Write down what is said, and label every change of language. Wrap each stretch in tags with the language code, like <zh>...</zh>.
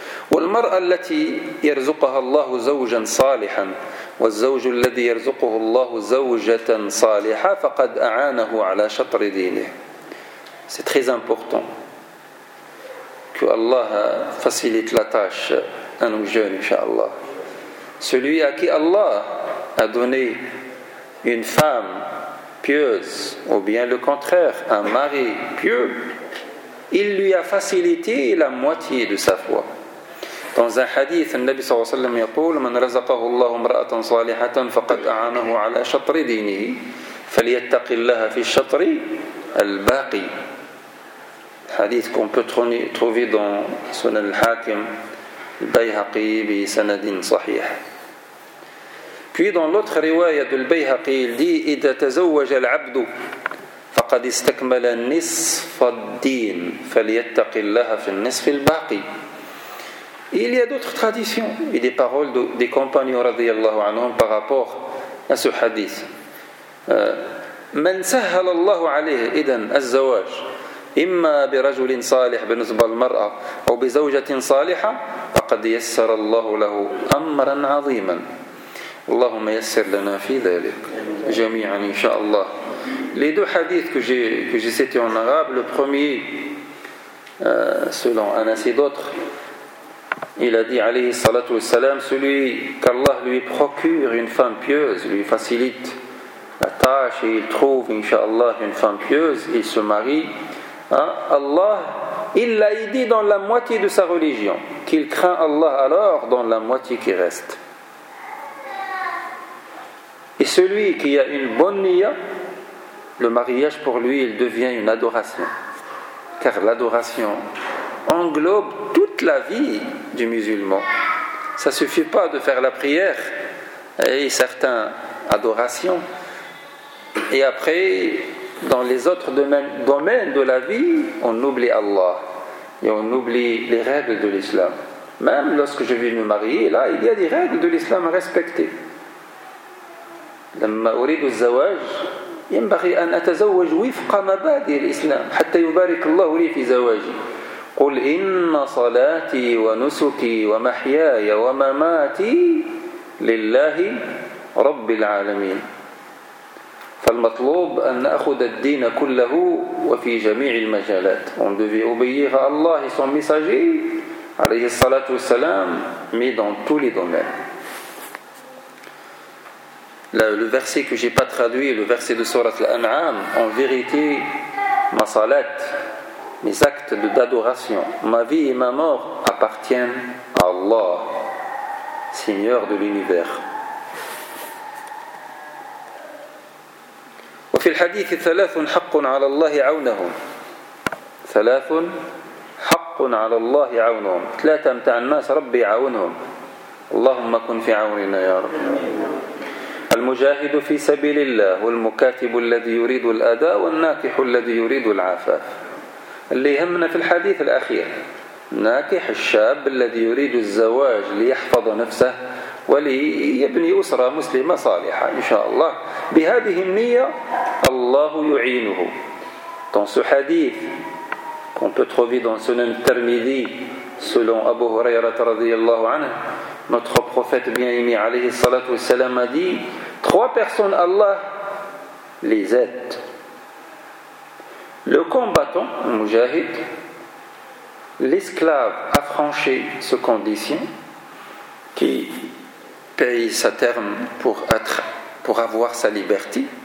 <ar>والمرأة التي يرزقها الله زوجا صالحا والزوج الذي يرزقه الله زوجة صالحة فقد أعانه على شطر دينه.</ar> <fr>C'est très important que Allah facilite la tâche à nos jeunes, inshallah. Celui à qui Allah a donné une femme pieuse, ou bien le contraire, un mari pieux, il lui a facilité la moitié de sa foi. Dans un hadith, le Nabi sallallahu alayhi wa sallam dit:</fr> <ar>من رزقه الله امرأة صالحة فقد أعانه على شطر دينه فليتق الله في الشطر الباقي.</ar> <fr>Hadith qu'on peut trouver dans Sunan al-Hakim, Bayhaqi,</fr> <ar>bi sanadin sahih.</ar> <fr>Puis dans l'autre riwayat du Bayhaqi, il dit:</fr> <ar>إذا تزوج العبد فقد استكمل نصف الدين فليتق الله في النصف الباقي.</ar> <fr>Il y a d'autres traditions et des paroles des compagnons radiyallahu anhum par rapport à ce hadith.</fr> <ar>من سهل الله عليه إذن الزواج إما برجل صالح بالنسبة للمرأة أو بزوجة صالحة فقد يسر الله له أمرا عظيما. اللهم يسر لنا في ذلك جميعا إن شاء الله.</ar> <fr>Les deux hadiths que j'ai cité en arabe, le premier selon Anas et d'autres, il a dit, alayhi salatu wassalam, celui qu'Allah lui procure une femme pieuse, lui facilite la tâche et il trouve, inshallah, une femme pieuse, il se marie. Allah, il l'a aidé dans la moitié de sa religion. Qu'il craint Allah alors dans la moitié qui reste. Et celui qui a une bonne niya, le mariage pour lui, il devient une adoration. Car l'adoration englobe toute la vie du musulman. Ça ne suffit pas de faire la prière et certaines adorations. Et après, dans les autres domaines de la vie, on oublie Allah et on oublie les règles de l'islam. Même lorsque je vais me marier, là, il y a des règles de l'islam à respecter.</fr> <ar>لما أريد الزواج ينبغي أن أتزوج وفق مبادئ الإسلام حتى يبارك الله لي في زواجي. قل إن صلاتي ونسكي ومحياي ومماتي لله رب العالمين. فالمطلوب أن أخذ الدين كله وفي جميع المجالات.</ar> <fr>On devait obéir à Allah et son messager, عليه الصلاة والسلام, mais dans tous les domaines. Le verset que j'ai pas traduit, le verset de sourate Al-An'am, en vérité, ma salat, mes actes d'adoration, ma vie et ma mort appartiennent à Allah, Seigneur de l'univers.</fr> <ar>وفي الحديث ثلاث حق على الله عونهم. ثلاث حق على الله عونهم. ثلاثة متاع الناس ربي عونهم. اللهم كن في عوننا يا رب. المجاهد في سبيل الله والمكاتب الذي يريد الأداء والناكح الذي يريد العفاف. اللي يهمنا في الحديث الأخير: ناكح الشاب الذي يريد الزواج ليحفظ نفسه وليبني أسرة مسلمة صالحة إن شاء الله بهذه النية الله يعينه.</ar> <fr>dans ce hadith qu'on peut trouver dans Sunan al-Tirmidhi selon Abu Hurayra radiyallahu anhu, notre prophète bien aimé alayhi salatu wassalam a dit: Trois personnes, Allah les aide. Le combattant, Mujahid, l'esclave affranchi sous condition, qui paye sa terme pour avoir sa liberté.</fr>